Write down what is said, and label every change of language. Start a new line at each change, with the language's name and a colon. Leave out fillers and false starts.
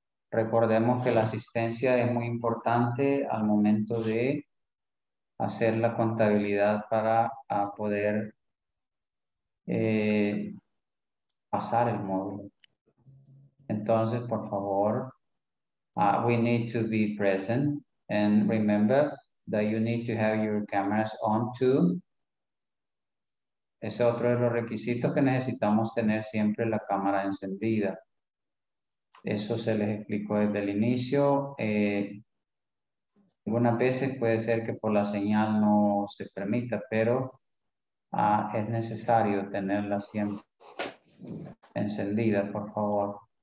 Spanish: Recordemos que la asistencia es muy importante al momento de hacer la contabilidad para poder pasar el módulo. Entonces, por favor,
English: we need to be present and remember that you need to have your cameras on too.
Spanish: Ese es otro de los requisitos que necesitamos tener siempre la cámara encendida. Eso se les explicó desde el inicio. Algunas veces puede ser que por la señal no se permita, pero es necesario tenerla siempre encendida, por favor.